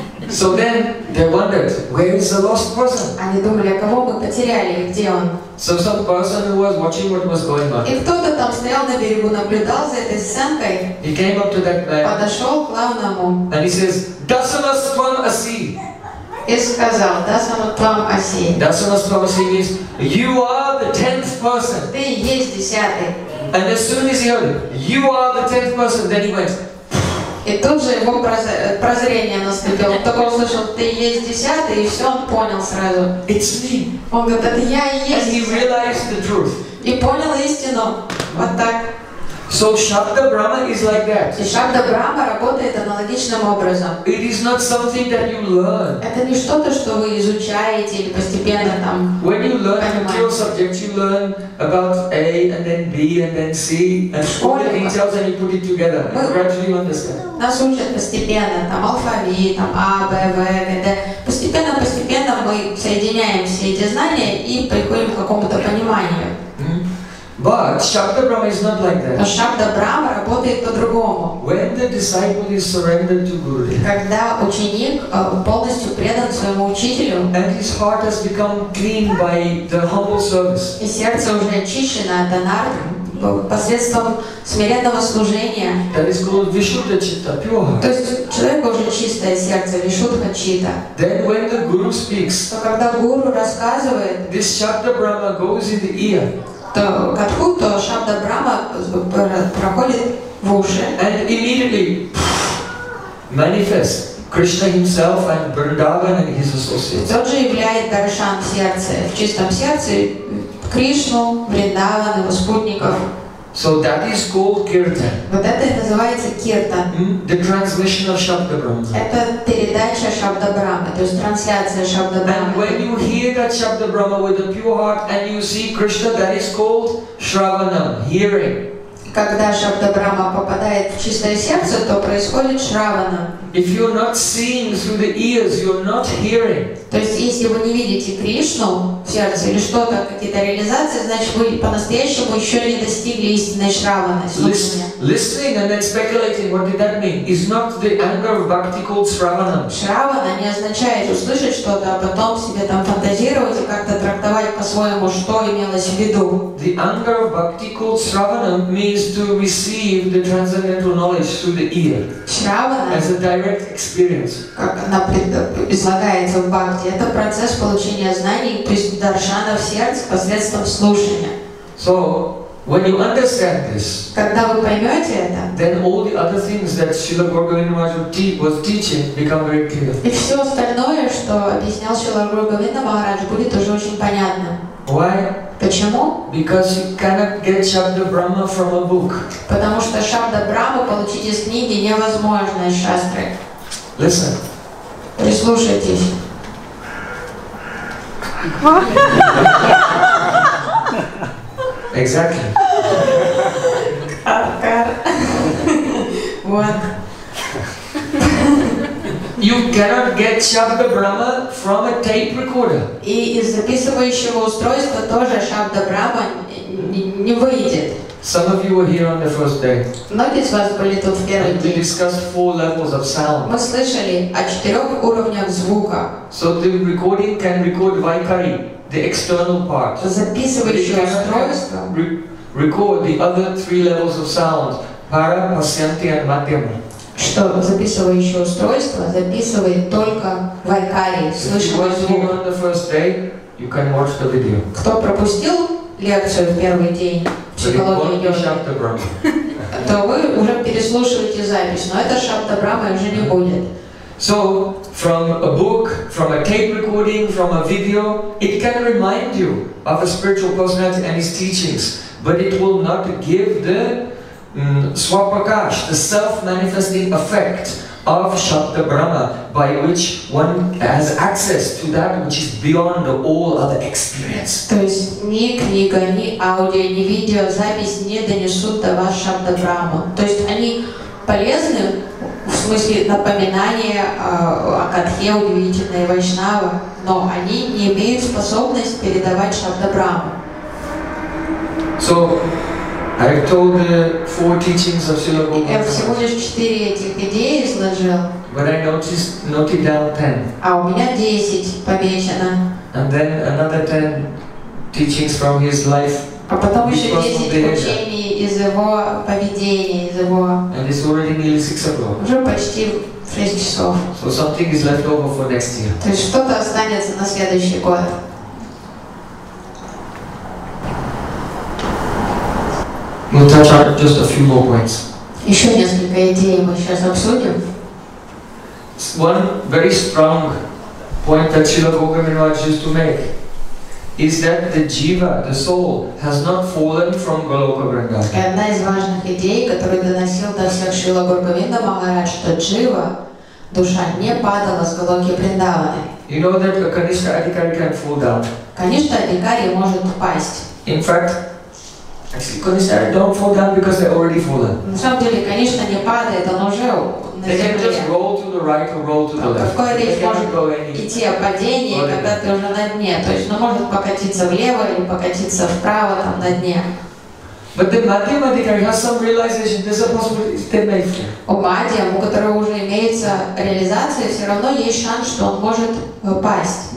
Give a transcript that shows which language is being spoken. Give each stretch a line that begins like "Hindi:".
English: So then they wondered, where is the lost person?
Russian: Они думали, кого бы потеряли, где он?
English: So some person who was watching what was going on.
Russian: И кто-то там стоял на берегу, наблюдал за этой сценкой.
English: He came up to that man.
Russian: Подошел к главному.
English: And he says,
Sanskrit: Dasanastvam Asi.
Russian: И сказал,
Sanskrit: Dasanastvam Asi.
English: Dasanastvam Asi means, you are the 10th person.
Russian: Ты есть десятый.
English: And as soon as he heard, you are the 10th person, then he went.
Russian: И тут же его прозрение наступило. Он только услышал, ты есть десятый, и все, он понял сразу.
English: It's me.
Russian: Он говорит, это я и есть.
English: And he realized the truth.
Russian: И понял истину. Вот так.
English: So Shabda Brahma is like that.
Russian: И Шабда Брахма работает аналогичным образом.
English: It is not something that you learn.
Russian: Это не что-то, что вы изучаете или постепенно там.
English: When you learn material subjects, you learn about A and then B and then C and all the details, and you put it together and gradually understand.
Russian: Нас учат постепенно, там алфавит, там А, Б, В, Г, Д. Постепенно мы соединяем все эти знания и приходим к какому-то пониманию.
English: But Shabda Brahma is not like that.
Russian: Shabda Brahma работает по-другому.
English: When the disciple is surrendered to Guru,
Russian: когда ученик полностью предан своему учителю,
English: and his heart has become clean by the humble service,
Russian: и сердце уже очищено от анард посредством смиренного служения,
English: that is called Vishuddha Chitta, pure.
Russian: То есть человек уже чистое сердце, Vishuddha Chitta.
English: Then when the Guru speaks,
Russian: то когда Гуру рассказывает,
English: this Shabda Brahma goes in the ear.
Russian: То Шабда Брахма проходит в уши.
English: And immediately manifests Krishna himself and Vrindavan and his associates.
Russian: Тот же являет Даршан в сердце, в чистом сердце Кришну, Вриндаван, его спутников.
English: So that is called kirtan.
Russian: Вот это и называется киртан.
English: The transmission of Shabda Brahma.
Russian: Это передача Шабда Брахма, то есть трансляция Шабда Брахма.
English: And when you hear that Shabda Brahma with a pure heart and you see Krishna, that is called shravanam, hearing.
Russian: Когда Шабда Брахма попадает в чистое сердце, то происходит шравана.
English: If you're not seeing through the ears, you're not hearing.
Russian: То есть если вы не видите Кришну в сердце или что-то, какие-то реализации, значит вы по-настоящему еще не достигли истинной шраваны.
English: Listening and then speculating, what did that mean? Is not the anger of bhakti called shravanam.
Russian: Шравана не означает услышать что-то, а потом себе там фантазировать и как-то трактовать по-своему, что имелось в виду.
English: The anger of bhakti called shravanam means to receive the transcendental knowledge through the ear.
Russian: Шравана.
English: Direct experience.
Russian: Как она предлагается в бхакти, это процесс получения знаний, то есть даршана в сердце посредством слушания.
English: So, when you understand this,
Russian: когда вы поймете это,
English: then all the other things that Srila Govinda was teaching become very clear.
Russian: И все остальное, что объяснял Шрила Говинда Махарадж, будет уже очень понятно.
English: Why?
Russian: Почему?
English: Because you cannot get Shabda Brahma from a book.
Russian: Потому что Шабда Брахму получить из книги невозможно, из шастры.
English: Listen.
Russian: Прислушайтесь.
English: Exactly.
Russian: Капкар. Вот.
English: You cannot get Shabda Brahma from a tape recorder.
Russian: И из записывающего устройства тоже Шабда Брахма не выйдет.
English: Some of you were here on the first day.
Russian: Многие из вас были тут в первый день.
English: We discussed four levels of sound.
Russian: Мы слышали о четырех уровнях звука.
English: So the recording can record vaikari, the external part.
Russian: Записывающее устройство.
English: Record the other three levels of sound, para, pasyanti, and madhyama.
Russian: Что записывающее устройство записывает только вайкари, слышимый звук.
English: Day,
Russian: кто пропустил лекцию в первый день психологии йога, то вы уже переслушиваете запись, но это Шабда Брахма уже не будет.
English: So, from a book, from a tape recording, from a video, it can remind you of a spiritual personality and his teachings, but it will not give the Swapakash, the self-manifesting effect of Shabda Brahma, by which one has access to that which is beyond all other experience.
Russian: То есть ни книга, ни аудио, ни видео, запись не донесут до вас Шабда Брахму. То есть они полезны в смысле напоминания о катхе удивительной вайшнавы, но они не имеют способность передавать Шабда Брахму.
English: So, I've told the four teachings of Srila Govinda.
Russian: Я всего лишь четыре этих идеи изложил.
English: But I noted down 10.
Russian: А у меня 10 помечено.
English: And then another 10 teachings from his life.
Russian: А потом еще 10 учений из его поведения, из его.
English: And it's already nearly 6 o'clock.
Russian: Уже почти 6 часов.
English: So something is left over for next year.
Russian: То есть что-то останется на следующий год.
English: We'll touch on just a few more points.
Russian: Еще несколько идей мы сейчас обсудим.
English: One very strong point that Srila Govinda used to make is that the jiva, the soul, has not fallen from Goloka Vrindavan.
Russian: Одна из важных идей, которую доносил до всех Шрила Говинда Махарадж, что джива, душа, не падала с Голоки Вриндаваны.
English: You know that a Kanishka Adhikari can fall down.
Russian: Конечно, Адхикари может упасть.
English: In fact, actually, Kanishka don't fall down because they're already fallen.
Russian: На самом деле, конечно, не падает, он уже
English: They can just roll to the right or roll to the left.
Russian: Какой речь может идти о падении, когда ты уже на дне? То есть, ну, может покатиться влево или покатиться вправо там на дне.
English: But the Madhyam Adhikari has some realization. There's a possibility they may fall.
Russian: У Мадхьям, у которого уже имеется реализация, все равно есть шанс, что он может упасть.